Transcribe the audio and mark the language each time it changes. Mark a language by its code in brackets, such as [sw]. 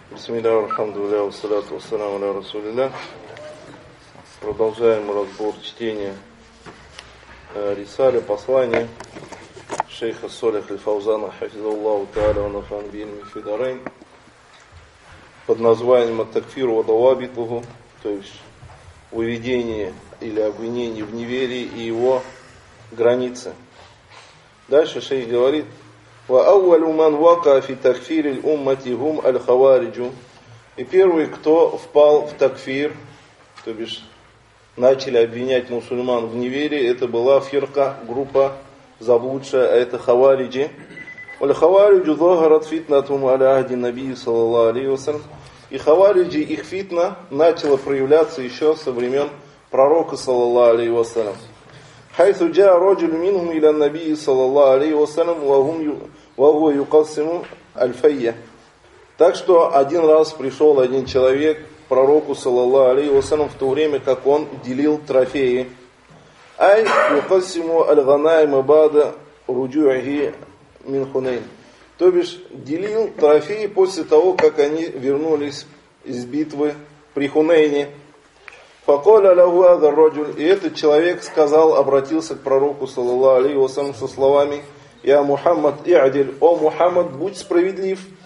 [ru] Бисмиллахи рахману ва салату ва саламу аля расулиллах. Продолжаем разбор чтения рисали, послания шейха Салих аль-Фаузана хафизаллаху тааля ва нафа'ана бихим фи дарайн под названием «Ат-такфир ва давабитуху», то есть «Уведение или обвинение в неверии и его границы». Дальше шейх говорит: [ar] وأول من وقع في تكفير الأمة هم الخوارج. [ru] И первый, кто впал в такфир, то бишь начали обвинять мусульман в неверии, это была фирка, группа заблудшая, а это хавариджи. [ar] والخوارج ظهرت فتنتهم على عهد النبي صلى الله عليه وسلم. [ru] И хавариджи, их фитна начала проявляться еще со времен пророка صلى الله عليه وسلم. [ar] حيث جاء رجل منهم إلى النبي صلى الله عليه وسلم وهم وهو يقسم الفية. [ru] Так что один раз пришел один человек к пророку саллаллаху алейхи вассалям в то время, как он делил трофеи. [ar] أي يقسم الغنائم بعد رجوعه من حنين. [ru] То бишь делил трофеи после того, как они вернулись из битвы при Хунейне. [ar] فقال له هذا الرجل. [ru] И этот человек сказал, обратился к пророку саллаллаху алейхи вассалям со словами: «Я Мухаммад, иадил, о Мухаммад, будь справедлив».